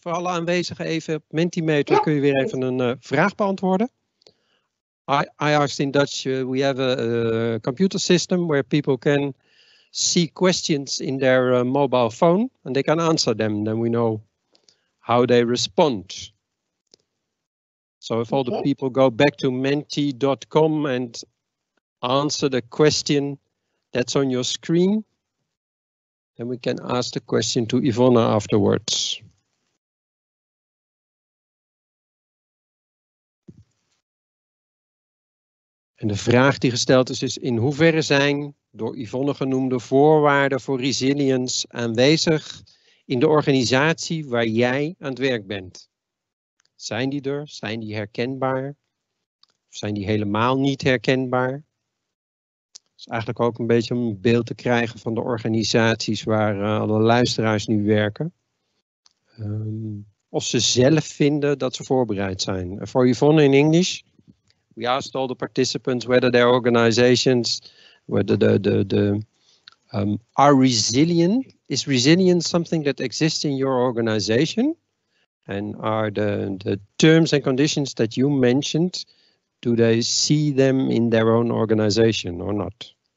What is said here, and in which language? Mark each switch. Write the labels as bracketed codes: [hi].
[nl] For alle aanwezigen even op Mentimeter kun je weer even een vraag beantwoorden. [en] I asked in Dutch, we have a computer system where people can see questions in their mobile phone and they can answer them. Then we know how they respond. So if all the people go back to menti.com and answer the question that's on your screen, then we can ask the question to Ivonne afterwards. [nl] En de vraag die gesteld is, is in hoeverre zijn door Ivonne genoemde voorwaarden voor resilience aanwezig in de organisatie waar jij aan het werk bent? Zijn die er? Zijn die herkenbaar? Of zijn die helemaal niet herkenbaar? Dat is eigenlijk ook een beetje om een beeld te krijgen van de organisaties waar alle luisteraars nu werken. Of ze zelf vinden dat ze voorbereid zijn. Voor Ivonne in English. [en] We asked all the participants whether their organizations, whether the are resilient. Is resilience something that exists in your organization? And are the terms and conditions that you mentioned, do they see them in their own organization or not?